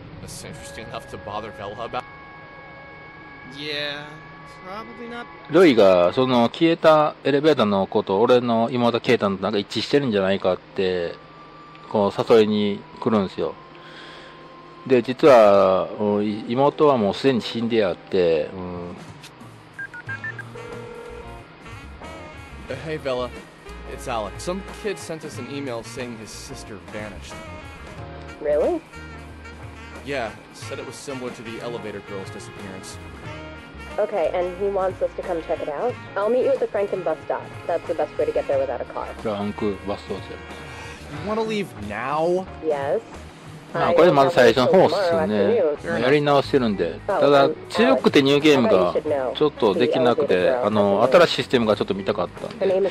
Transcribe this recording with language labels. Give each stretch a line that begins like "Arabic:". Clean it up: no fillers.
English: That's interesting enough to bother Velha about. Yeah, probably not.
Japanese: ルイがその消えたエレベーターのこと俺の妹ケイタンとなんか一致してるんじゃないかってこう誘いに来るんですよ。で実は妹はもうすでに死んであって、
English: Hey Vella, it's Alex. Some kid sent us an email saying his sister vanished. Really? Yeah, said it was similar to the elevator girl's disappearance. Okay, and he wants us to come check it out. I'll meet you at the Franken bus stop. That's the best way to get there without a car. Franken bus stop. You want to leave now? Yes.
Japanese: あ、これでまた最初の方っすね。やり直してるんで。ただ、強くてニューゲームがちょっとできなくて、あの、新しいシステムがちょっと見たかったんで。